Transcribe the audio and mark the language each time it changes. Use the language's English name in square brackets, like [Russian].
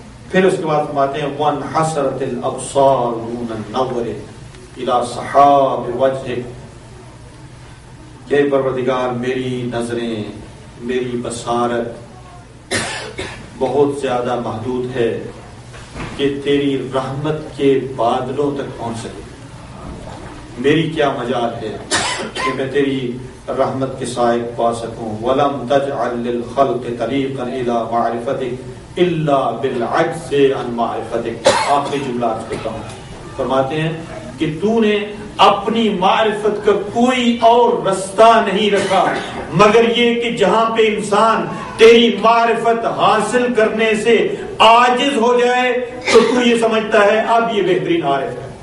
[Urdu] پھر اس کے بعد فرماتے ہیں [Arabic] وان حسرت الابصار دون النظر الى صحاب وجهه, [Urdu] کہ پروردگار میری نظریں میری بصارت بہت زیادہ محدود ہے کہ تیری رحمت کے بادلوں تک پہنچ سکے. میری کیا مجال ہے کہ میں تیری رحمت کے سائے پا سکوں. [Arabic] ولم تجعل للخلق طریقا الى معرفتك الا بالعجز عن معرفتك. [Urdu] آخری جملہ آج کرتا ہوں. فرماتے ہیں کہ تو نے اپنی معرفت کا کوئی اور رستہ نہیں رکھا مگر یہ کہ جہاں پہ انسان تیری معرفت حاصل کرنے سے عاجز ہو جائے تو یہ سمجھتا ہے اب یہ بہترین عارف ہے.